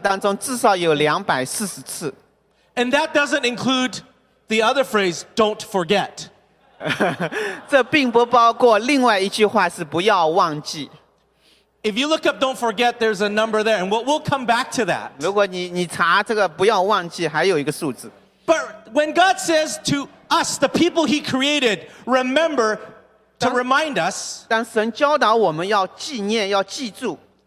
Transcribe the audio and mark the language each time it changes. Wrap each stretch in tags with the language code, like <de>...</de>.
<zh>在我的这个寻找当中至少有240次。</zh> <en>And that doesn't include the other phrase, don't forget.</en> <zh>这并不包括另外一句话是不要忘记。</zh> <en>If you look up don't forget, there's a number there, and we'll come back to that.</en> <zh>如果你查这个不要忘记还有一个数字。</zh> <en>But when God says to us, the people he created, remember to remind us,</en> <zh>当神教导我们要纪念要记住,</zh>